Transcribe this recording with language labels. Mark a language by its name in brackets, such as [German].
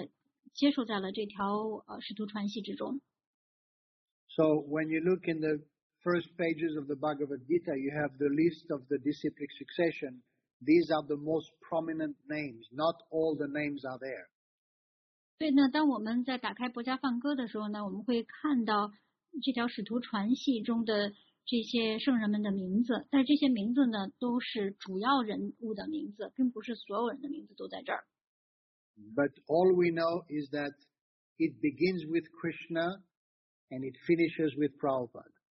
[Chinese] 就是他们听，因为所有的这些人都听到了圣典波迦瓦坛，所以说呢，他们全部都授权接受在这条使徒传系之中。 [English] So when you look in the first pages of the Bhagavad Gita, you have the list of the disciplic succession. These are the most prominent names. Not all the names are there. [Chinese] 对，那当我们在打开《博迦梵歌》的时候呢，我们会看到这条使徒传系中的这些圣人们的名字，但这些名字呢，都是主要人物的名字，并不是所有人的名字都在这儿。 [English] But all we know is that it begins with Krishna and it finishes with Prabhupada.